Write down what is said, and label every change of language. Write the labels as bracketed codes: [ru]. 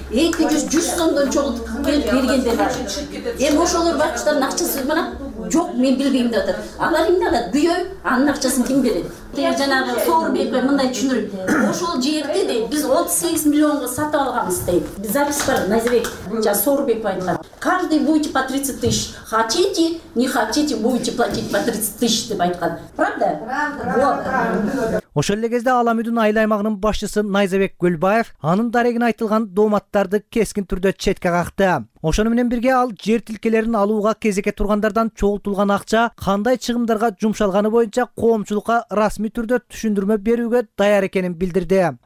[ky] 200-100 сомдон чогултуп келип бергендер бар. Эми ошолор бакчалардын акчасы мына жок, мен билбейм деп атат. Алар эмне алат? Күйөө анын акчасын ким берет? Жанагы Сооронбекке мындай түшүндүрүп, ошол жерди дейт, биз 38,000,000 сатып алганбыз дейт. Запись бар, Назирбек, жана Сооронбек айткан. [ru] Каждый будете по 30,000. Хотите, не хотите, будете платить по 30,000 [ky] деп айткан. [ru] Правда? Правда. [ky] Ошол эле кезде Ала Мүдүн айыл аймагынын башчысы Найзабек Гөлбаев анын дарегине айтылган дооматтарды кескин түрдө четке какты. Ошону менен бирге ал жер тилкелерин алууга кезеке тургандардан чогултулган акча кандай чыгымдарга жумшалганы боюнча коомчулукка расмий түрдө түшүндүрмө берүүгө даяр экенин билдирди.